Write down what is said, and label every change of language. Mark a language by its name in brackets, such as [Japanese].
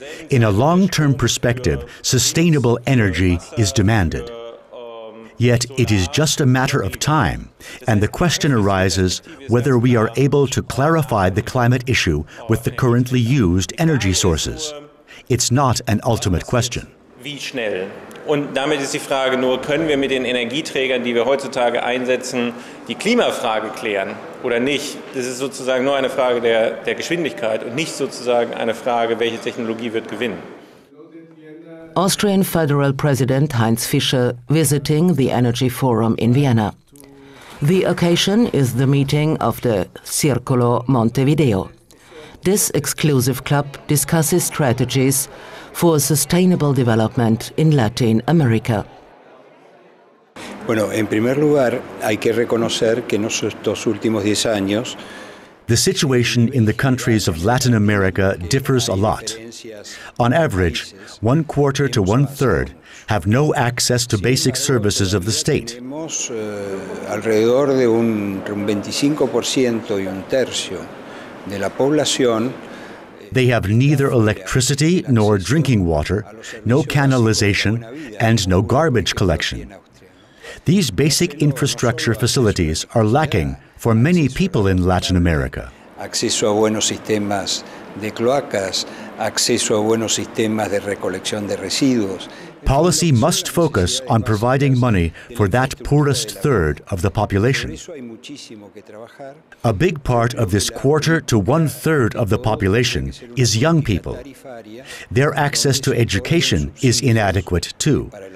[English] In a long-term perspective, sustainable energy is demanded. Yet it is just a matter of time, and the question arises whether we are able to clarify the climate issue with the currently used energy sources. It's not an ultimate question. [German] Wie schnell? Und damit ist die Frage nur, können wir mit den Energieträgern, die wir heutzutage einsetzen, die Klimafrage klären oder nicht? Das ist sozusagen nur eine Frage der Geschwindigkeit und nicht sozusagen eine Frage, welche Technologie wird gewinnen. [English] Austrian Federal President Heinz Fischer visiting the Energy Forum in Vienna. The occasion is the meeting of the Circolo Montevideo. This exclusive club discusses strategies for sustainable development in Latin America. [Spanish] Bueno, en primer lugar, hay que reconocer que en estos últimos 10 años. [English] The situation in the countries of Latin America differs a lot. On average, one quarter to one third have no access to basic services of the state. [Spanish] Alrededor de un 25% y un tercio de la población. [English] They have neither electricity nor drinking water, no canalization, and no garbage collection. These basic infrastructure facilities are lacking for many people in Latin America. [Spanish] Acceso a buenos sistemas de cloacas, acceso a buenos sistemas de recolección de residuos. [English] Policy must focus on providing money for that poorest third of the population. A big part of this quarter to one-third of the population is young people. Their access to education is inadequate too.